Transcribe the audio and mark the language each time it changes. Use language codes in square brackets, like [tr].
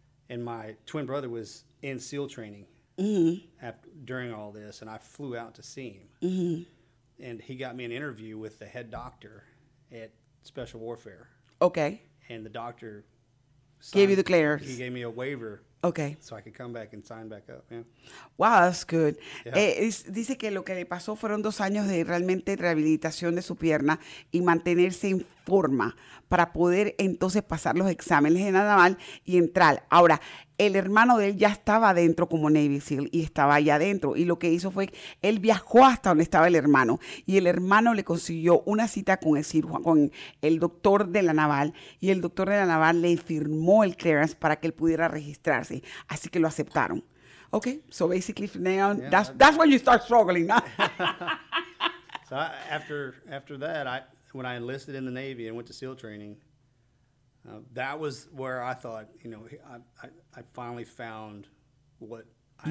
[en] And my twin brother was in SEAL training during all this, and I flew out to see him, and he got me an interview with the head doctor at Special Warfare. Okay. And the doctor gave you the clearance. He gave me a waiver. Okay. So I could come back and sign back up. Yeah. Wow, that's good. Yeah. [es] Dice que lo que le pasó fueron 2 años de realmente rehabilitación de su pierna y mantenerse en forma para poder entonces pasar los exámenes de naval y entrar. Ahora, el hermano de él ya estaba adentro como Navy SEAL y estaba allá adentro. Y lo que hizo fue, él viajó hasta donde estaba el hermano y el hermano le consiguió una cita con el cirujano, con el doctor de la naval, y el doctor de la naval le firmó el clearance para que él pudiera registrarse. Así que lo aceptaron. [en] Okay, so basically from now on, that's when you start struggling. So after that, when I enlisted in the Navy and went to SEAL training, That was where I thought, you know, I finally found what I